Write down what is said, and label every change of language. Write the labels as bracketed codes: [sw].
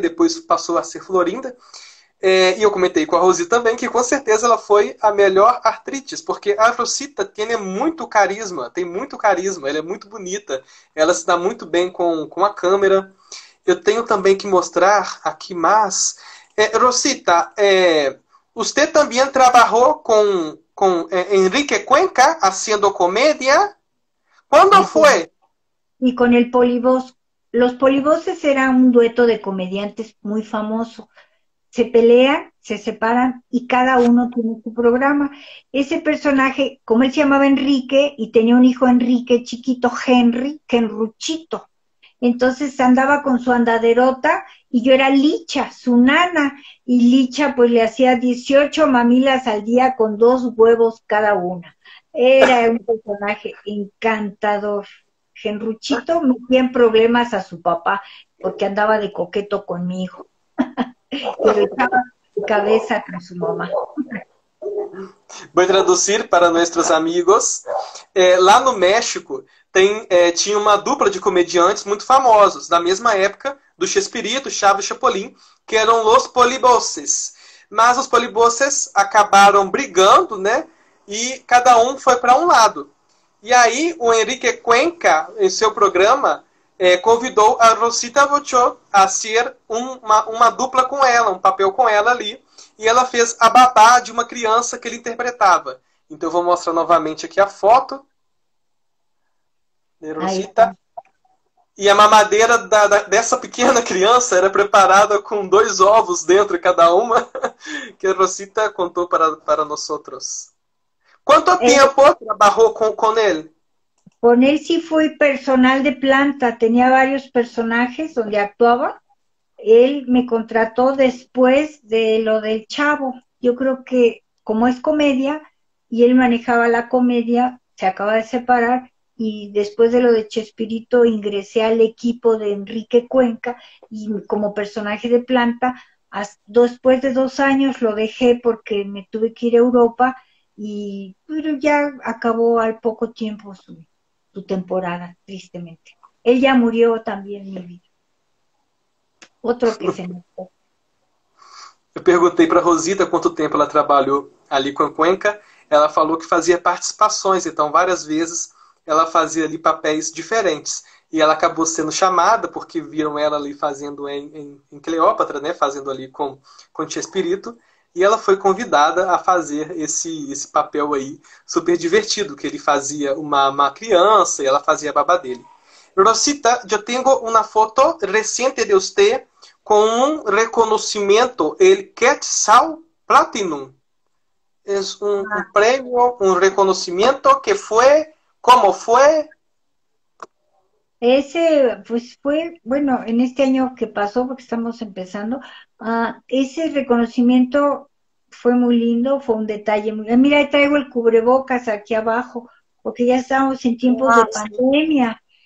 [pt] Depois passou a ser Florinda. E eu comentei com a Rosi também que com certeza ela foi a melhor Artritis, porque a Rosita tem muito carisma, ela é muito bonita, ela se dá muito bem com a câmera. Eu tenho também que mostrar aqui mais. Rosita, você também trabalhou com Enrique Cuenca, fazendo comédia. [es] ¿Cuándo fue? Y con el Polibos. Los Poliboses era un dueto de comediantes muy famoso. Se pelean, se separan y cada uno tiene su programa. Ese personaje, como él se llamaba Enrique y tenía un hijo Enrique chiquito, Henry, Henruchito. Entonces andaba con su andaderota y yo era Licha, su nana. Y Licha pues le hacía 18 mamilas al día con dos huevos cada una. Era un personaje encantador. Henruchito metía en problemas a su papá porque andaba de coqueto con mi hijo. Y le echaba cabeza con su mamá. Voy a traducir para nuestros amigos. [pt] Lá no México tinha uma dupla de comediantes muito famosos, na mesma época do Chespirito, Chaves e Chapolin, que eram Los Polibosses. Mas os Polibosses acabaram brigando, né? E cada um foi para um lado. E aí o Enrique Cuenca, em seu programa, convidou a Rosita Vochó a ser uma dupla com ela, um papel com ela ali. E ela fez a babá de uma criança que ele interpretava. Então eu vou mostrar novamente aqui a foto. De Rosita. E a mamadeira dessa pequena criança era preparada com dois ovos dentro cada uma, que a Rosita contou para nós outros. [es] ¿Cuánto tiempo trabajó con él? Con él sí fui personal de planta, tenía varios personajes donde actuaba. Él me contrató después de lo del Chavo. Yo creo que como es comedia y él manejaba la comedia, se acaba de separar y después de lo de Chespirito ingresé al equipo de Enrique Cuenca y como personaje de planta, después de 2 años lo dejé porque me tuve que ir a Europa. Y pero ya acabó al poco tiempo su temporada, tristemente. Él ya murió también, mi vida. Otro que se mató. Yo pregunté para Rosita cuánto tiempo ella trabajó allí con Cuenca. Ella falou que hacía participaciones, entonces varias veces ella hacía allí papeles diferentes. Y ella acabó siendo llamada porque vieron ella allí haciendo en Cleópatra, ¿no? Haciendo allí con Chespirito. [pt] E ela foi convidada a fazer esse papel aí super divertido, que ele fazia uma criança e ela fazia a babá dele. Rosita, eu tenho uma foto recente de você com um reconhecimento, o Quetzal Platinum. É um prêmio, um reconhecimento que foi, como foi? [es] Ese, pues fue, bueno, en este año que pasó, porque estamos empezando, ese reconocimiento fue muy lindo, fue un detalle. Mira, traigo el cubrebocas aquí abajo, porque ya estamos en tiempos de pandemia.